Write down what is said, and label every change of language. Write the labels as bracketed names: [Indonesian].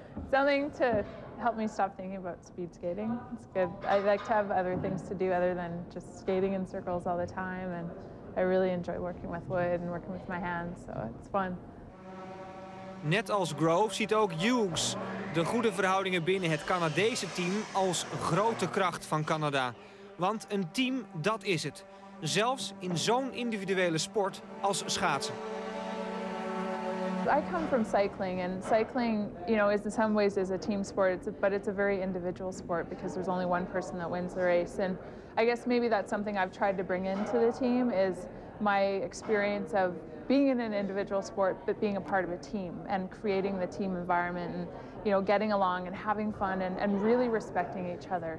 [English] Something to help me stop thinking about speed skating. It's good. I like to have other things to do other than just skating in circles all the time. And I really enjoy working with wood and working with my hands, so it's fun. [Dutch] Net als Grove ziet ook Hughes de goede verhoudingen binnen het Canadese team als grote kracht van Canada. Want een team, dat is het. zelfs in zo'n individuele sport als schaatsen. [English] I come from cycling, and cycling, you know, is in some ways is a team sport, but it's a very individual sport because there's only one person that wins the race. And I guess maybe that's something I've tried to bring into the team is my experience of being in an individual sport, but being a part of a team and creating the team environment and, you know, getting along and having fun and really respecting each other.